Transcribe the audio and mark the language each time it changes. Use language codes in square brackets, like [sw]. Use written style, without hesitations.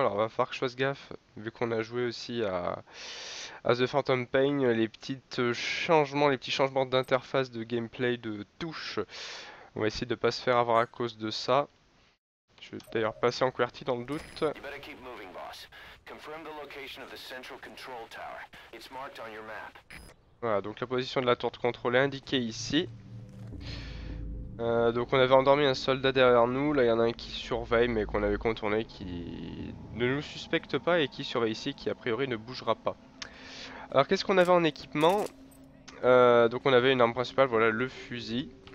[fr] Alors il va falloir que je fasse gaffe, vu qu'on a joué aussi à The Phantom Pain, les petits changements d'interface de gameplay, de touches. On va essayer de ne pas se faire avoir à cause de ça. Je vais d'ailleurs passer en QWERTY dans le doute. [en] You better keep moving, boss. Confirm the location of the central control tower. It's marked on your map. [fr] Voilà, donc la position de la tour de contrôle est indiquée ici. Donc on avait endormi un soldat derrière nous, là il y en a un qui surveille mais qu'on avait contourné, qui ne nous suspecte pas et qui surveille ici, qui a priori ne bougera pas. Alors qu'est-ce qu'on avait en équipement? Donc on avait une arme principale, voilà le fusil.